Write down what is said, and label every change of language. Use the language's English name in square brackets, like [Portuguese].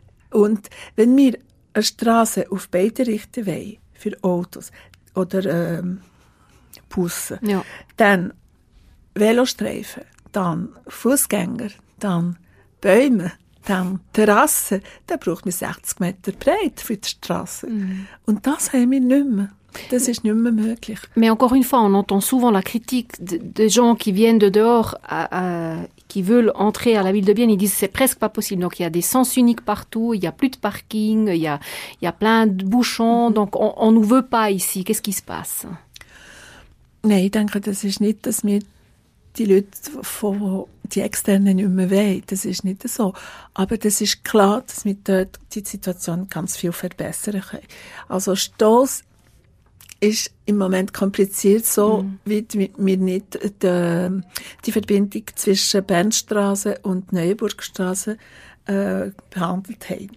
[German] Und wenn wir eine Straße auf beide Richtungen wollen, für Autos oder Busse, dann Velostreifen, dann Fußgänger, dann Bäume, dann Terrasse, dann braucht man 60 Meter breit für die Straße. Mm. Und das haben wir nicht mehr. Das ist nicht mehr möglich. [French] Mais encore une fois, on entend souvent la critique des gens qui viennent de dehors, qui veulent entrer à la ville de Bienne. Ils disent que c'est presque pas possible. Donc, il y a des sens uniques partout. Il y a plus de parking. Il y a plein de bouchons. Mm-hmm. Donc, on nous veut pas ici. Qu'est-ce qui se passe? [German] Nein, ich denke, das ist nicht, dass wir die Leute von die Externen nicht mehr wollen. Das ist nicht so. Aber das ist klar, dass wir dort die Situation ganz viel verbessern können. Also, Stoss ist im Moment kompliziert, so wie wir nicht die Verbindung zwischen Bernstraße und Neuenburgstraße behandelt haben.